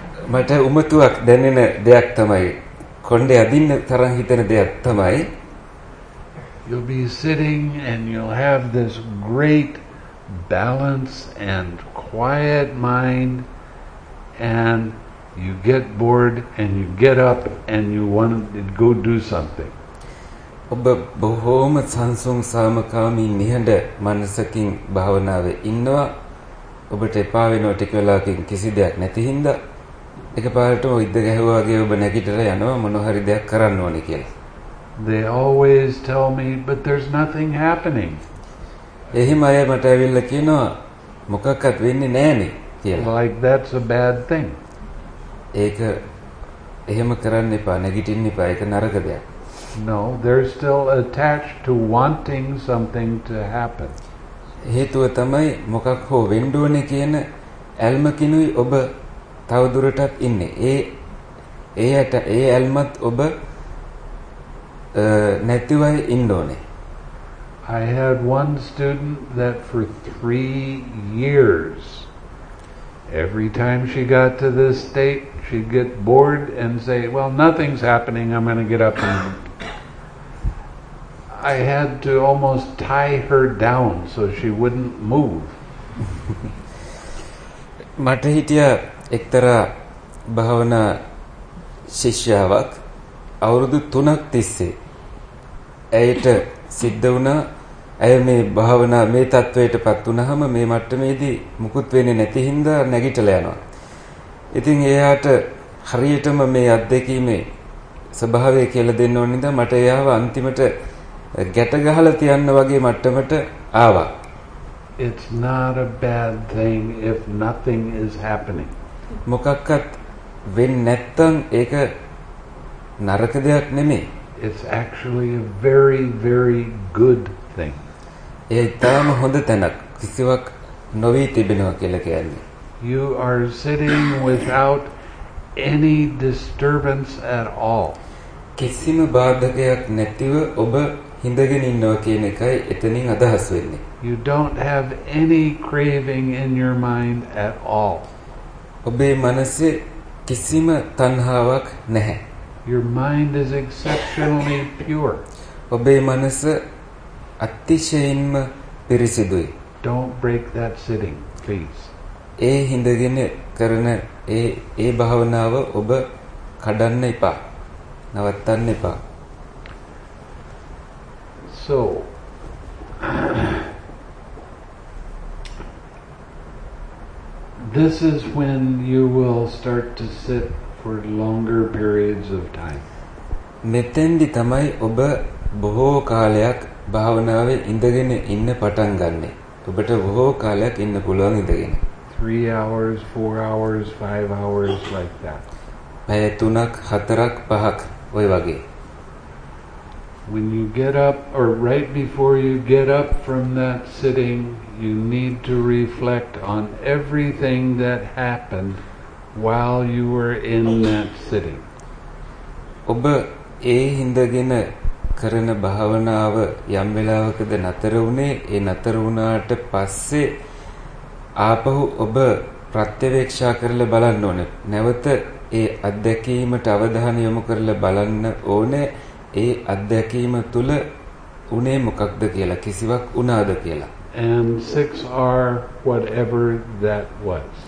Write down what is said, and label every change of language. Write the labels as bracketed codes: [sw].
[si] මට උමතුවක් දැනෙන දෙයක් තමයි කොණ්ඩෙ අදින්න තරම් හිතෙන දෙයක් තමයි. [en] You'll be sitting and you'll have this great balance and quiet mind, and you get bored and you get up and you want to go do something. [si] ඔබ බොහෝම සංසුන් සාමකාමී නිහඬ මනසකින් භාවනාවේ ඉන්නවා. ඔබට එපා වෙනවා ටික වෙලාවකින් කිසි දෙයක් නැති හින්දා. එකපාරටම ඉද්ද ගැහුවා වගේ ඔබ නැගිටලා යනවා මොන හරි දෙයක් කරන්න ඕනේ කියලා. [en] They always tell me, but there's nothing happening. [si] එහෙම අය මට ඇවිල්ලා කියනවා මොකක්වත් වෙන්නේ නැහනේ කියලා. [en] Like that's a bad thing. [si] ඒක එහෙම කරන්න එපා, නැගිටින්න එපා, ඒක නරක දෙයක්. [en] No, they're still attached to wanting something to happen. [si] හේතුව තමයි මොකක් හෝ වෙන්න ඕනේ කියන ඇල්මකිනුයි ඔබ තව දුරටත් ඉන්නේ. ඒ ඇල්මත් ඔබ නැතිවයි ඉන්න ඕනේ. [en] I had one student that for 3 years, every time she got to this state, she'd get bored and say, well, nothing's happening, I'm going to get up and I had to almost tie her down so she wouldn't move. [si] මට හිටිය එක්තරා භාවනා ශිෂ්‍යාවක් අවුරුදු 3ක් තිස්සේ ඇයට සිද්ධ වුණා ඇය මේ භාවනා මේ තත්වයටපත් වුණාම මේ මට්ටමේදී මුකුත් වෙන්නේ නැති හින්දා නැගිටලා යනවා. ඉතින් එයාට හරියටම මේ අත්දැකීමේ ස්වභාවය කියලා දෙන්න ඕන නිසා මට එයාව අන්තිමට ගැට ගහලා තියන්න වගේ මට්ටමට ආවා. [en] It's not a bad thing if nothing is happening. [si] මොකක්වත් වෙන්නේ නැත්නම් ඒක නරක දෙයක් නෙමෙයි. [en] It's actually a very, very good thing. [si] ඒ තරම හොඳ තැනක් කිසිවක් නොවි තිබෙනවා කියලා කියන්නේ. [en] You are sitting without any disturbance at all. [si] කිසිම බාධකයක් නැතිව ඔබ හිඳගෙන ඉන්නවා කියන එකයි එතනින් අදහස් වෙන්නේ. [en] You don't have any craving in your mind at all. [si] ඔබේ මනසේ කිසිම තණ්හාවක් නැහැ. [en] Your mind is exceptionally pure. [si] ඔබේ මනස අතිශයින්ම පිරිසිදුයි. [en] Don't break that sitting, please. [si] ඒ හිඳගෙන කරන ඒ භාවනාව ඔබ කඩන්න එපා. නවත්තන්න එපා. [en] So, This is when you will start to sit for longer periods of time. [si] මෙතෙන්දි තමයි ඔබ බොහෝ කාලයක් භාවනාවේ ඉඳගෙන ඉන්න පටන් ගන්නෙ. ඔබට බොහෝ කාලයක් ඉන්න පුළුවන් ඉඳගෙන. [en] 3 hours, 4 hours, 5 hours like that. [si] පැය 3ක්, 4ක්, 5ක් ওই වගේ. [en] When you get up, or right before you get up from that sitting, you need to reflect on everything that happened while you were in that sitting. [si] ඔබ ඒ හිඳගෙන කරන භාවනාව යම් වෙලාවකද නතර වුණේ, ඒ නතර වුණාට පස්සේ ආපහු ඔබ ප්‍රත්‍යවේක්ෂා කරලා බලන්න ඕනේ. නැවත ඒ අත්දැකීමට අවධානය යොමු කරලා බලන්න ඕනේ. ඒ අත්දැකීම තුල උනේ මොකක්ද කියලා, කිසිවක් උනාද කියලා. [en] And 6 are whatever that was.